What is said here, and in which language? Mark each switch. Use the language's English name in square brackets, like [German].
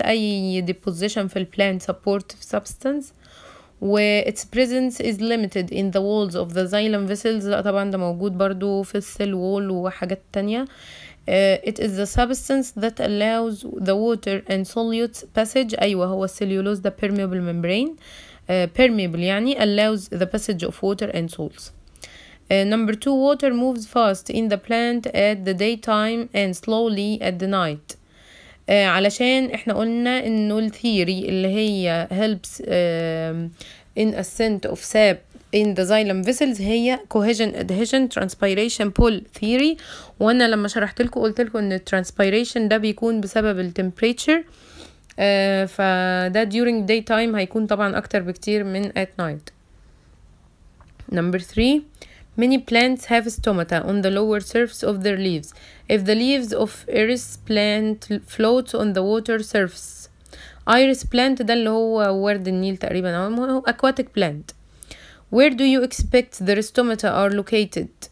[English] أي deposition في plant supportive substance, where its presence is limited in the walls of the xylem vessels. [Arabic] طبعا ده موجود برضو في السيل وول وحاجات تانية. [English] It is the substance that allows the water and solutes passage. [Arabic] أيوة هو السليولوز ده [English] permeable membrane, permeable يعني allows the passage of water and salts. Number 2, water moves fast in the plant at the daytime and slowly at the night. [Arabic] علشان احنا قلنا انه الثيري اللي هي [English] helps in ascent of sap in the xylem vessels هي cohesion adhesion transpiration pull theory. وانا لما شرحت لكم قلت لكم ان transpiration ده بيكون بسبب temperature, فده during daytime هيكون طبعا اكتر بكتير من at night. Number 3, many plants have stomata on the lower surface of their leaves. If the leaves of iris plant float on the water surface, iris plant [Arabic] ده اللي هو ورد النيل تقريبا, [English] هو aquatic plant, where do you expect the stomata are located?